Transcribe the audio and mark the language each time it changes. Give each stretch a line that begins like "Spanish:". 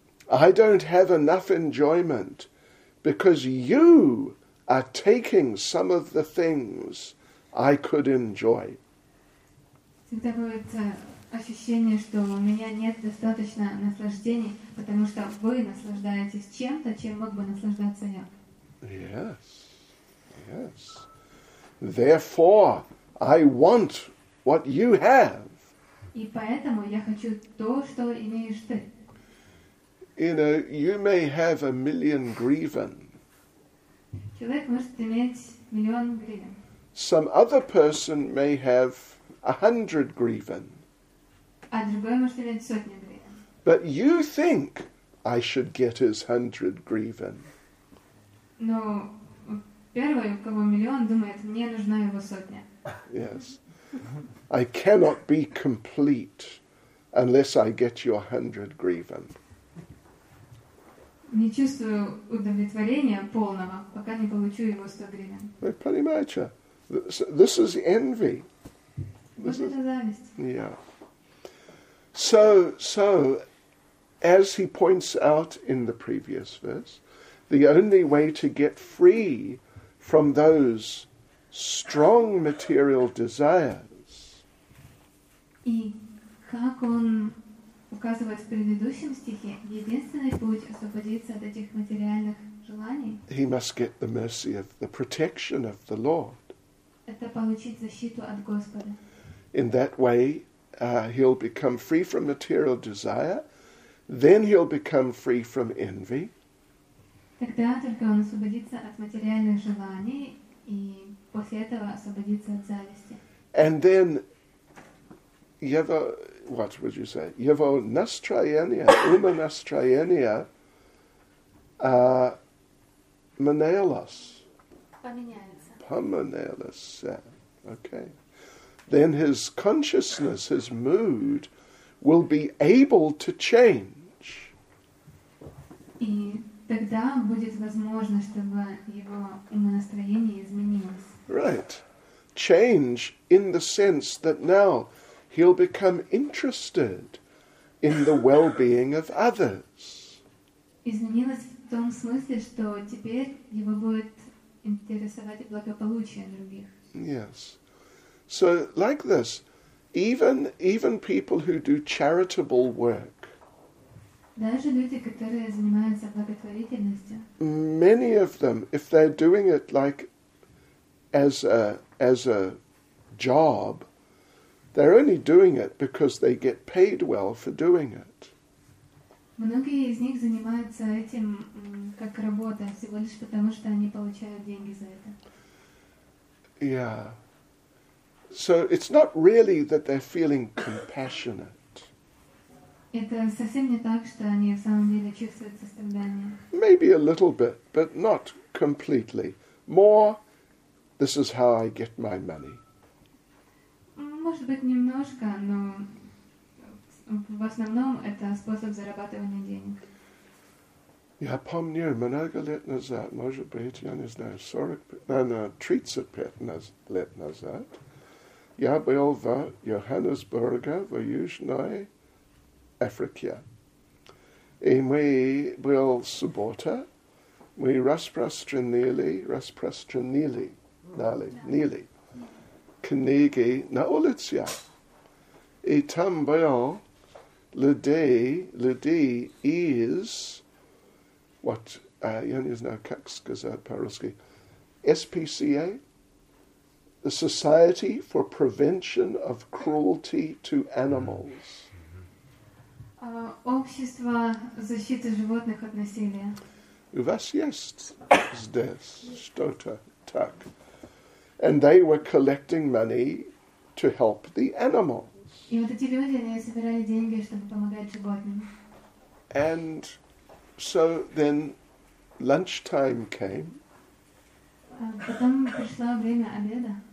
English: I don't have enough enjoyment because you are taking some of the things I could enjoy.
Russian: Всегда бывает ощущение, что у меня нет достаточно наслаждений, потому что вы наслаждаетесь чем-то, чем мог бы наслаждаться я.
English: Yes. Yes. Therefore, I want what you have.
Russian: И поэтому я хочу то, что имеешь ты.
English: You know, you may have a million grivan.
Russian: Человек может иметь миллион гривен.
English: Some other person may have 100 grivan.
Russian: А другой может иметь сотню гривен.
English: But you think I should get his 100 grivan.
Russian: Но первый, у кого миллион, думает, мне нужна его сотня.
English: Yes. I cannot be complete unless I get your 100 grivan.
Russian: Не чувствую удовлетворения полного, пока не получу его 100 гривен. Вы понимаете?
English: This is envy. This
Russian: вот is... это зависть.
English: Yeah. So, as he points out in the previous verse, the only way to get free from those strong material desires...
Russian: И как он... Указывает в предыдущем стихе, единственный путь освободиться от этих материальных желаний.
English: He must get the mercy of the protection of the Lord.
Russian: Это получить защиту от Господа.
English: In that way, he'll become free from material desire. Then he'll become free from envy.
Russian: Тогда только он освободится от материальных желаний, и после этого освободится от зависти.
English: And then, yevo, what would you say?
Russian: Yevo настроение, ума настроение, manelos. Поменяется.
English: Okay. Then his consciousness, his mood, will be able to change.
Russian: И тогда будет возможно, чтобы его умонастроение изменилось.
English: Right. Change in the sense that now he'll become interested in the well-being of others.
Russian: Изменилось в том смысле, что теперь его будет интересовать благополучие других.
English: Yes. So, like this, even people who do charitable work,
Russian: даже люди, которые занимаются благотворительностью,
English: many of them, if they're doing it like as a job, they're only doing it because they get paid well for doing it.
Russian: Многие из них занимаются этим как работа, всего лишь потому, что они получают деньги за это.
English: Yeah. So it's not really that they're feeling compassionate.
Russian: Это совсем не так, что они в самом деле чувствуют сострадание.
English: Maybe a little bit, but not completely. More, this is how I get my money.
Russian: Может быть, немножко, но в основном это способ зарабатывания денег. Я помню, много лет назад, может быть, я не знаю, 35 лет назад, я был в Йоханнесбурге, в Южной Африке. И мы были в субботу, мы распространили книги на улице. И там был людей из...
English: What,
Russian: я не знаю, как сказать по-русски,
English: SPCA, the Society for Prevention of Cruelty to Animals.
Russian: Общество защиты животных от насилия. У вас есть здесь что-то, так.
English: And they were collecting money to help the animals.
Russian: И вот эти люди, они собирали деньги, чтобы помогать животным.
English: And... So then lunchtime came.
Russian: Потом пришло время обеда.